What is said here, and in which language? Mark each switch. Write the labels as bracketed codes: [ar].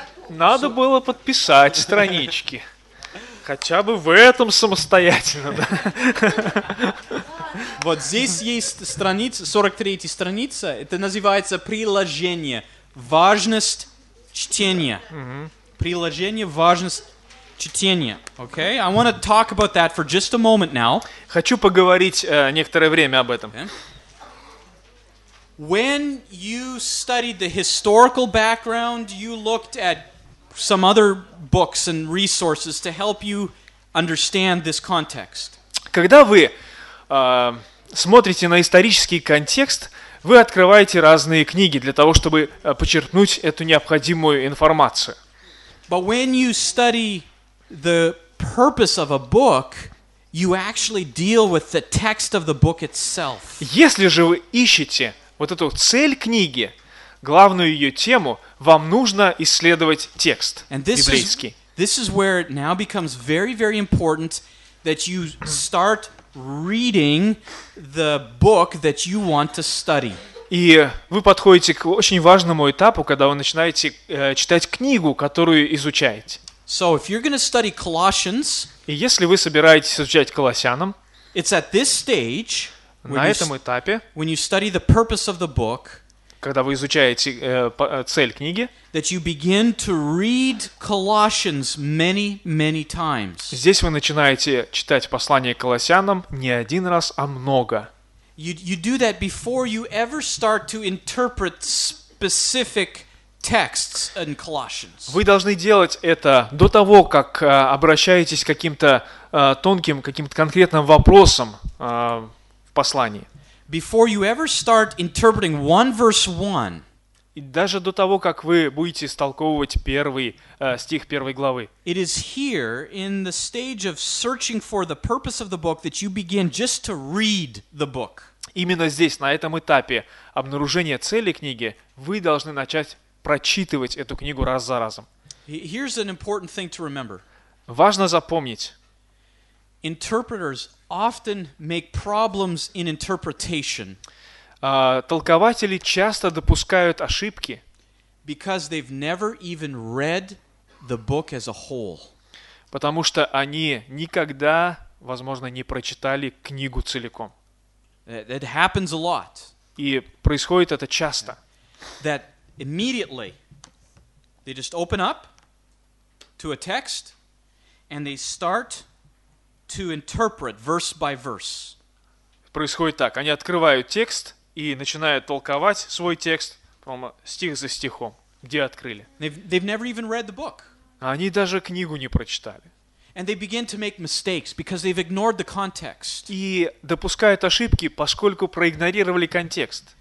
[ru] Надо было подписать странички. Хотя бы в этом самостоятельно. Да? Вот здесь есть страница, 43-я страница. Это называется приложение. Важность чтения. Приложение, важность чтения. [en] Okay? I want to talk about that for just a moment now. [ru] Хочу поговорить некоторое время об этом. [en] Okay. When you studied the historical background, you looked at some other books and resources to help you understand this context. [ru] Когда вы смотрите на исторический контекст, вы открываете разные книги для того, чтобы почерпнуть эту необходимую информацию. [en] But when you study the purpose of a book, you actually deal with the text of the book itself. [ru] Если же вы ищете вот эту цель книги, главную ее тему, вам нужно исследовать текст библейский. [en] This is where it now becomes very, very important that you start reading the book that you want to study. [ru] И вы подходите к очень важному этапу, когда вы начинаете читать книгу, которую изучаете. [en] So if you're going to study Colossians, [ru] и если вы собираетесь изучать Колоссянам, [en] it's at this stage, [ru] на этом этапе, [en] when you study the purpose of the book, [ru] когда вы изучаете цель книги, [en] that you begin to read Colossians many, many times. [ru] Здесь вы начинаете читать послание Колоссянам не один раз, а много. [en] You do that before you ever start to interpret specific texts in Colossians. [ru] Вы должны делать это до того, как обращаетесь к каким-то тонким, каким-то конкретным вопросам в послании. [en] Before you ever start interpreting one verse one. [ru] И даже до того, как вы будете истолковывать первый стих первой главы. [en] It is here in the stage of searching for the purpose of the book that you begin just to read the book. [ru] Именно здесь, на этом этапе обнаружения цели книги, вы должны начать прочитывать эту книгу раз за разом. [en] Here's an important thing to remember. [ru] Важно запомнить. [en] Interpreters often make problems in interpretation. [ru] Толкователи часто допускают ошибки. [en] Because they've never even read the book as a whole. [ru] Потому что они никогда, возможно, не прочитали книгу целиком. [en] That happens a lot. [ru] И происходит это часто. [en] That immediately they just open up to a text and they start to interpret verse by verse. [ru] Происходит так. Они открывают текст и начинают толковать свой текст, по-моему, стих за стихом, где открыли. [en] They've never even read the book. [ru] Они даже книгу не прочитали. [en] And they begin to make mistakes because they've ignored the context. [ru] И допускают ошибки, поскольку проигнорировали контекст.